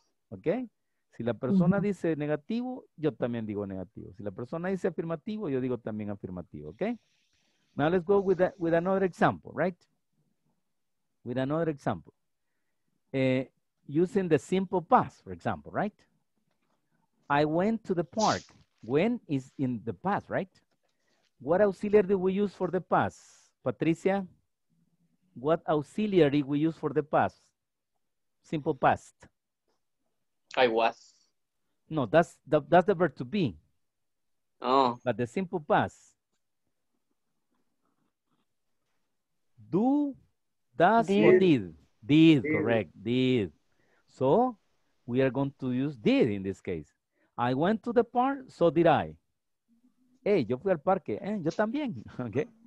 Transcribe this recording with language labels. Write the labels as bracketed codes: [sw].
[es] Okay, si la persona dice negativo, yo también digo negativo. Si la persona dice afirmativo, yo digo también afirmativo, okay? [en] Now let's go with that, with another example, right? With another example. Using the simple past, for example, right? I went to the park. When is in the past, right? What auxiliary do we use for the past? Patricia, what auxiliary we use for the past? Simple past. I was. No, that's the verb to be. Oh. But the simple past. Do, does, did. Or did? Did, correct, did. So we are going to use did in this case. I went to the park, so did I. [es] Hey, yo fui al parque, eh, yo también, okay.